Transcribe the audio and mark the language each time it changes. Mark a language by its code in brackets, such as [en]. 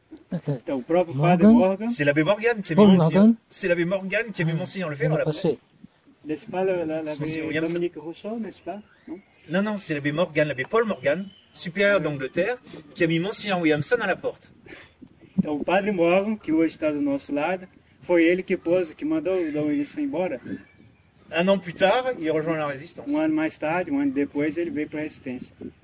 [pt] Então, o próprio Morgan? [fr] C'est l'abbé Morgan qui a mis monsieur Lefebvre à la porte. N'est-ce pas l'abbé Dominique Rousseau, n'est-ce pas? Non, c'est l'abbé Morgan, l'abbé Paul Morgan, supérieur d'Angleterre, qui a mis monsieur Williamson à la porte. [pt] Então, o padre Morgan, que hoje está do nosso lado, foi ele que pôs, que mandou o Dom Wilson embora. [fr] Un an plus tard, il rejoint la résistance. [pt] Um ano mais tarde, um ano depois, ele veio para a resistência.